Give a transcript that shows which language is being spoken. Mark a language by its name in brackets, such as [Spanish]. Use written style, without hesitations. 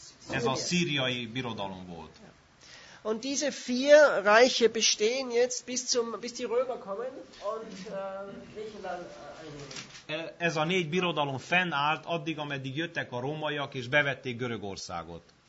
[Hungarian] Ez a szíriai birodalom volt. [German] Und diese vier Reiche bestehen jetzt bis die Römer kommen und Griechenland [Hungarian] ez a négy birodalom fennállt addig, ameddig jöttek a rómaiak és bevették Görögországot.